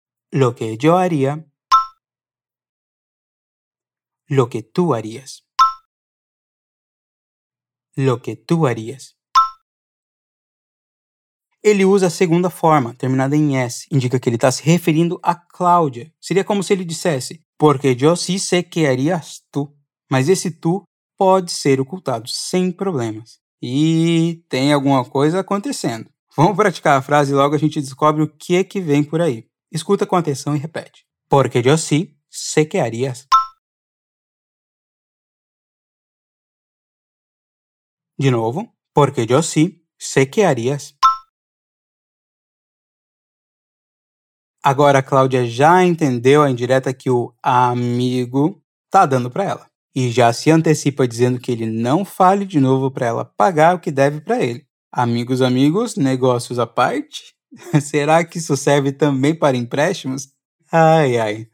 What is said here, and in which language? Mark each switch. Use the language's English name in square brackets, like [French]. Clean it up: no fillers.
[Spanish] Lo que yo haría. Lo que tú harías. Lo que tú harías. [Portuguese] Ele usa a segunda forma, terminada em S, indica que ele está se referindo a Cláudia. Seria como se ele dissesse, [Spanish] porque yo sí sé que harías tú. [Portuguese] Mas esse tu pode ser ocultado sem problemas. E tem alguma coisa acontecendo. Vamos praticar a frase e logo a gente descobre o que é que vem por aí. Escuta com atenção e repete. [Spanish] Porque yo sí sé que harías. [Portuguese] De novo. [Spanish] Porque yo sí sé que harías. [Portuguese] Agora a Cláudia já entendeu a indireta que o amigo está dando para ela. E já se antecipa dizendo que ele não fale de novo para ela pagar o que deve para ele. Amigos, amigos, negócios à parte? Será que isso serve também para empréstimos? Ai, ai.